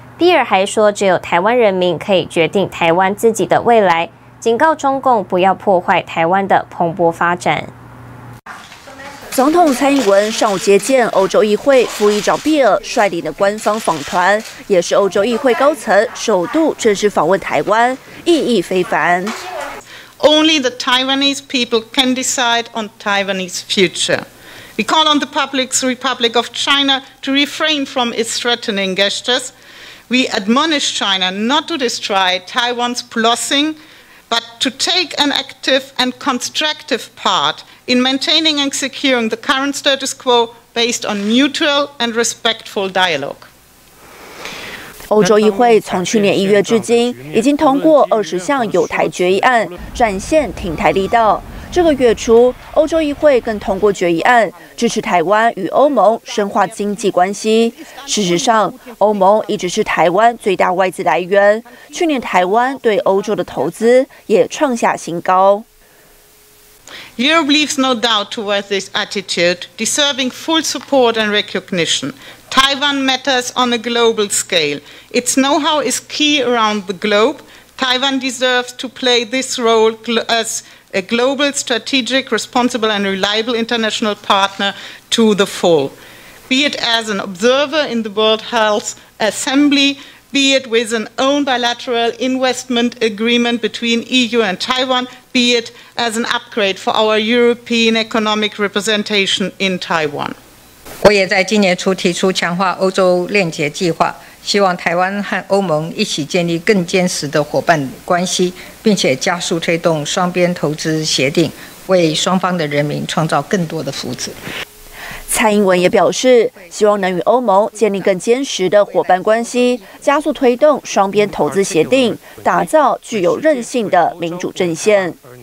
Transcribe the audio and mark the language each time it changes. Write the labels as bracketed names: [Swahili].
[Chinese] 比尔还说，只有台湾人民可以决定台湾自己的未来，警告中共不要破坏台湾的蓬勃发展。总统蔡英文上午接见欧洲议会副议长比尔率领的官方访团，也是欧洲议会高层首度正式访问台湾，意义非凡。 [English] Only the Taiwanese people can decide on Taiwanese future. We call on the People's Republic of China to refrain from its threatening gestures. We admonish China not to destroy Taiwan's blossoming, but to take an active and constructive part. In maintaining and securing the current status quo based on mutual and respectful dialogue. [Chinese] 欧洲议会从去年1月至今已经通过20项有台决议案，展现挺台力道。这个月初，欧洲议会更通过决议案，支持台湾与欧盟深化经济关系。事实上，欧盟一直是台湾最大外资来源，去年台湾对欧洲的投资也创下新高。 [English] Europe leaves no doubt towards this attitude, deserving full support and recognition. Taiwan matters on a global scale. Its know-how is key around the globe. Taiwan deserves to play this role as a global, strategic, responsible and reliable international partner to the full. Be it as an observer in the World Health Assembly, be it with an own bilateral investment agreement between EU and Taiwan,be it as an upgrade for our European economic representation in Taiwan. [Chinese] 我也在今年初提出强化欧洲链接计划，希望台湾和欧盟一起建立更坚实的伙伴关系，并且加速推动双边投资协定，为双方的人民创造更多的福祉。蔡英文也表示，希望能与欧盟建立更坚实的伙伴关系，加速推动双边投资协定，打造具有韧性的民主阵线。